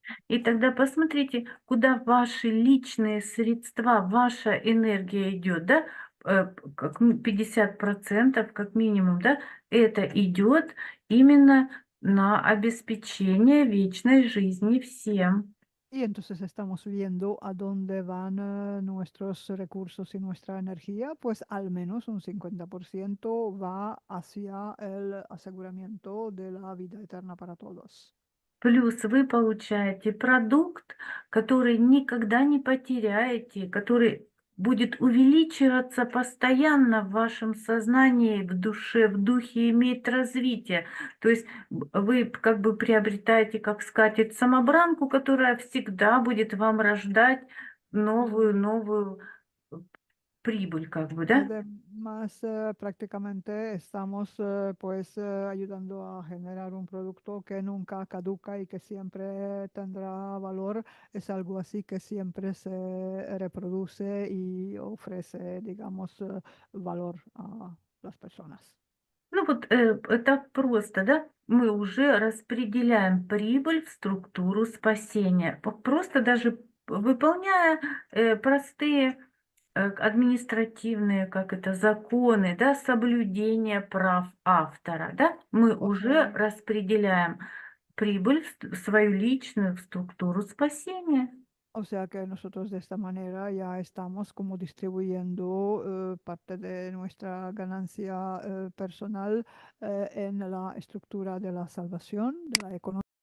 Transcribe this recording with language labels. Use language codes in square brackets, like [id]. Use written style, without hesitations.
[ru] И тогда посмотрите, куда ваши личные средства, ваша энергия идет, да, как 50% как минимум, да, это идет именно на обеспечение вечной жизни всем. [es] Y entonces estamos viendo a dónde van nuestros recursos y nuestra energía, pues al menos un 50% va hacia el aseguramiento de la vida eterna para todos. [ru] Плюс вы получаете продукт, который никогда не потеряете, который будет увеличиваться постоянно в вашем сознании, в душе, в духе, имеет развитие. То есть вы как бы приобретаете как скатерть самобранку, которая всегда будет вам рождать новую прибыль, как бы, да? [es] Además, prácticamente estamos pues ayudando a generar un producto que nunca caduca y que siempre tendrá valor. Es algo así que siempre se reproduce y ofrece, digamos, valor a las personas. [ru] Ну вот так просто, да? Мы уже распределяем прибыль в структуру спасения. Просто даже выполняя простые административные, как это, законы, да, соблюдение прав автора, да, мы уже Okay. распределяем прибыль в свою личную структуру спасения. [es] O sea que nosotros de esta manera ya estamos como distribuyendo parte de nuestra ganancia personal en la estructura de la salvación, de la economía.